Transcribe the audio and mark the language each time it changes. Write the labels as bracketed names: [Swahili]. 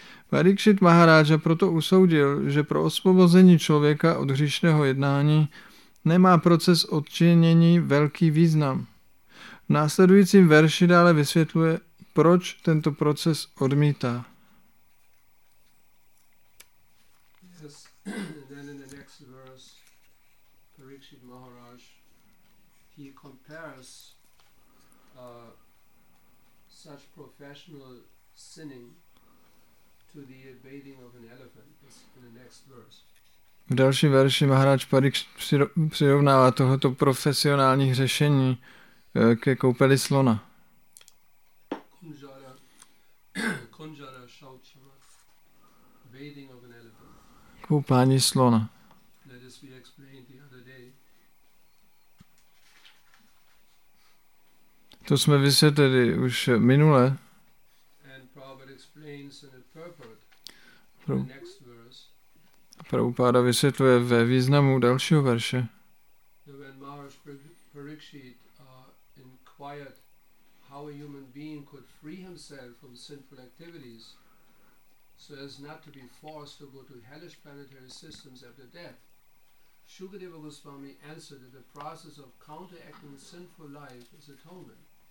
[Czech] Parikshit Maharaja proto usoudil, že pro osvobození člověka od hříšného jednání nemá proces odčinění velký význam. V následujícím verši dále vysvětluje, proč tento proces odmítá. [English] Yes. Then in the next verse, Parikshit Maharaj, he compares such professional sinning to the baiting of an elephant, is in the next verse. [Czech] V dalším verši Maharaj Parikšit přirovnává tohoto profesionální řešení ke koupeli slona. [English] Kunjara Shauchama, bathing of an elephant. [Czech] Koupání slona. [English] That is we explained the other day. [Czech] To jsme vysvětlili už minule. [English] And Prabhupada explains in a purport the next verse. [Czech] Prabhupada vysvětluje ve významu dalšího verše. [English] When Maharaj Parikshit inquired how a human being could free himself from sinful activities so as not to be forced to go to hellish planetary systems after death, Shukadeva Goswami answered that the process of counteracting sinful life is atonement.